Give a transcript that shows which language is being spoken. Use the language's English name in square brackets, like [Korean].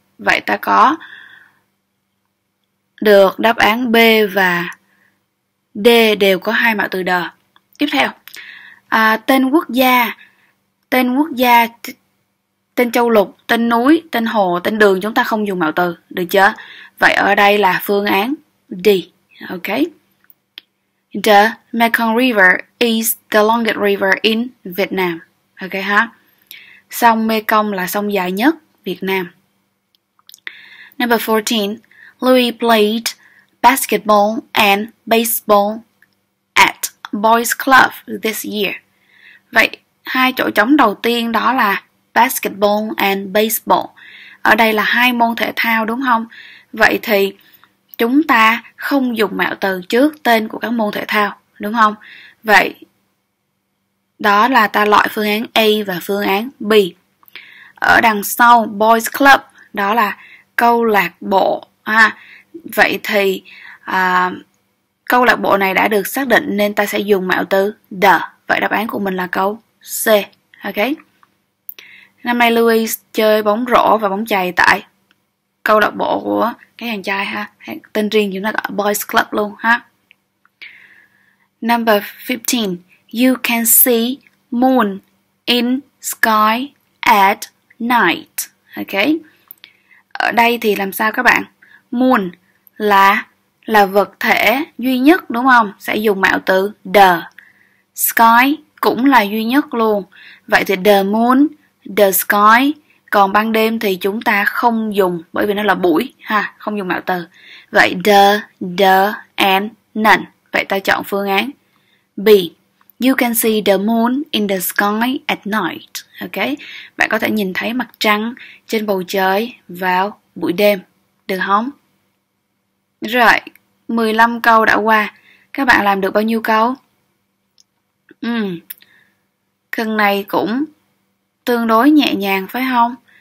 [Vietnamese] Vậy ta có được đáp án B và D đều có hai mạo từ the. Tiếp theo, tên châu lục, tên núi, tên hồ, tên đường chúng ta không dùng mạo từ, được chưa? Vậy ở đây là phương án D, ok? [English] The Mekong River is the longest river in Vietnam, ok ha? [Vietnamese] Sông Mekong là sông dài nhất Việt Nam. [English] Number 14, Louis played basketball and baseball at Boys Club this year. [Vietnamese] Vậy hai chỗ trống đầu tiên đó là basketball and baseball. Ở đây là hai môn thể thao đúng không? Vậy thì chúng ta không dùng mạo từ trước tên của các môn thể thao, đúng không? Vậy đó là ta loại phương án A và phương án B. Ở đằng sau boys club đó là câu lạc bộ ha. Vậy thì câu lạc bộ này đã được xác định nên ta sẽ dùng mạo từ the. Vậy đáp án của mình là câu C. Ok. Năm nay Louis chơi bóng rổ và bóng chày tại câu lạc bộ của cái chàng trai ha. Tên riêng chúng ta gọi Boys Club luôn ha. [English] Number 15. You can see moon in sky at night. [Vietnamese] Ok. Ở đây thì làm sao các bạn? Moon là vật thể duy nhất đúng không? Sẽ dùng mạo từ the. Sky cũng là duy nhất luôn. Vậy thì the moon, the sky. Còn ban đêm thì chúng ta không dùng, bởi vì nó là buổi ha, không dùng mạo từ. Vậy the and none. Vậy ta chọn phương án B. [English] You can see the moon in the sky at night. Ok. [Vietnamese] Bạn có thể nhìn thấy mặt trăng trên bầu trời vào buổi đêm, được không? Rồi, 15 câu đã qua. Các bạn làm được bao nhiêu câu? Câu này cũng tương đối nhẹ nhàng phải không?